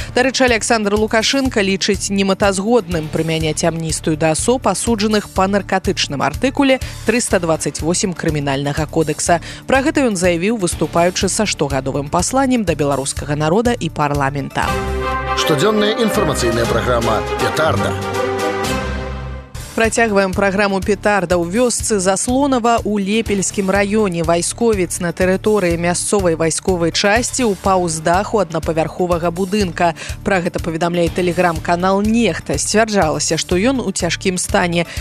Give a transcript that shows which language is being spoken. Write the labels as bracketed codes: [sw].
[be] Дарэчы, Александр Лукашэнка лічыць немэтазгодным прымяняць амністыю да асоб, асуджаных па наркатычным артыкуле 328 крымінальнага кодэкса. Пра гэта ён заявіў, выступаючы са штогадовым [ru] посланием до белорусского народа и парламента. Щоденная информационная программа «Петарда». [be] Працягваем праграму петарда ў вёсцы Заслонава ў Лепельскім раёне. Вайсковец на тэрыторыі мясцовай вайсковай часці ўпаў з даху аднапавярховага будынка. Пра гэта паведамляе тэлеграм-канал «Нехта». Сцвярджалася, што ён у цяжкім стане.